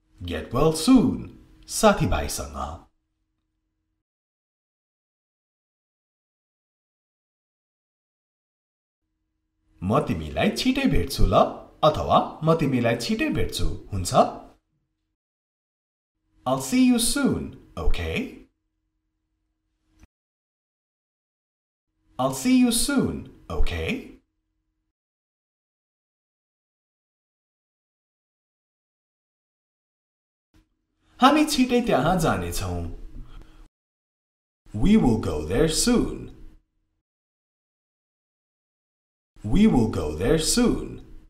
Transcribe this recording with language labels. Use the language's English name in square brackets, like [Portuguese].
[English] get well soon [Nepali] साथी भाइसँग म तिमीलाई छिटै भेट्छु ल अथवा म तिमीलाई छिटै भेट्छु हुन्छ [English] I'll see you soon okay I'll see you soon okay [Nepali] हामी छिटै त्यहाँ जाने छौं [English] We will go there soon We will go there soon.